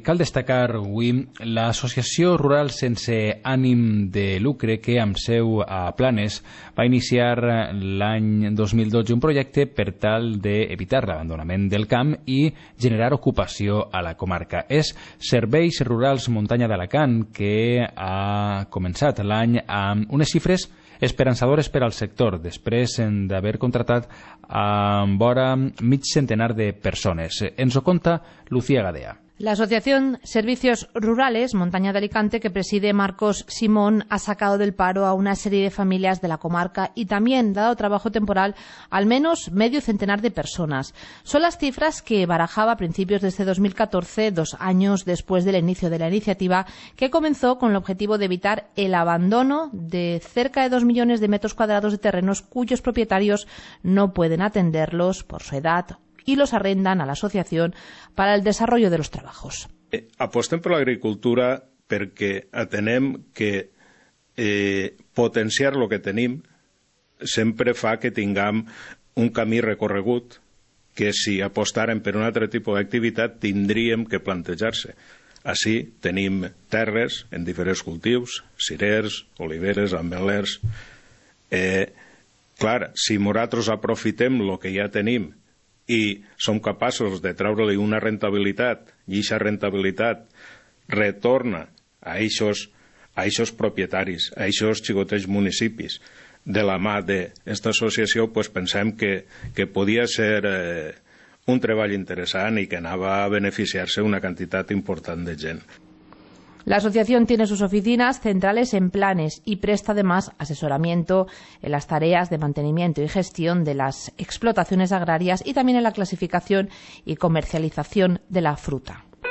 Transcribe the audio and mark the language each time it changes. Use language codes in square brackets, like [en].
[ca] Cal destacar avui l'Associació Rural Sense Ànim de Lucre, que amb seu a Planes va iniciar l'any 2012 un projecte per tal d'evitar l'abandonament del camp i generar ocupació a la comarca. És Serveis Rurals Muntanya d'Alacant, que ha començat l'any amb unes xifres esperançadores per al sector, després d'haver contratat amb vora mig centenar de persones. Ens ho conta Lucía Gadea. [es] La Asociación Servicios Rurales Montaña de Alicante, que preside Marcos Simón, ha sacado del paro a una serie de familias de la comarca y también dado trabajo temporal a al menos medio centenar de personas. Son las cifras que barajaba a principios de este 2014, dos años después del inicio de la iniciativa, que comenzó con el objetivo de evitar el abandono de cerca de 2 millones de metros cuadrados de terrenos cuyos propietarios no pueden atenderlos por su edad y los arrendan a la asociación para el desarrollo de los trabajos. [ca] Apostem per l'agricultura perquè atenem que potenciar el que tenim sempre fa que tinguem un camí recorregut que, si apostarem per un altre tipus d'activitat, tindríem que plantejar-se. Així tenim terres en diferents cultius, cirers, oliveres, ametllers. Clar, si nosaltres aprofitem el que ja tenim i som capaços de treure-li una rentabilitat, i aquesta rentabilitat retorna a aquests propietaris, a aquests xicotets municipis, de la mà d'aquesta associació, pues pensem que podia ser un treball interessant i que anava a beneficiar-se una quantitat important de gent. [es] La asociación tiene sus oficinas centrales en Planes y presta además asesoramiento en las tareas de mantenimiento y gestión de las explotaciones agrarias y también en la clasificación y comercialización de la fruta.